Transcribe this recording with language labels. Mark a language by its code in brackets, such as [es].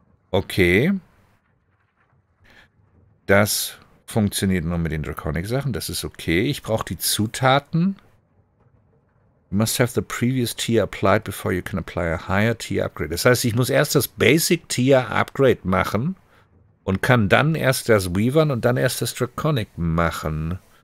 [de] Okay. Das funktioniert nur mit den Draconic-Sachen. Das ist okay. Ich brauche die Zutaten. [en] You must have the previous tier applied before you can apply a higher tier upgrade. [de] Das heißt, ich muss erst das Basic Tier Upgrade machen und kann dann erst das Weavern und dann erst das Draconic machen.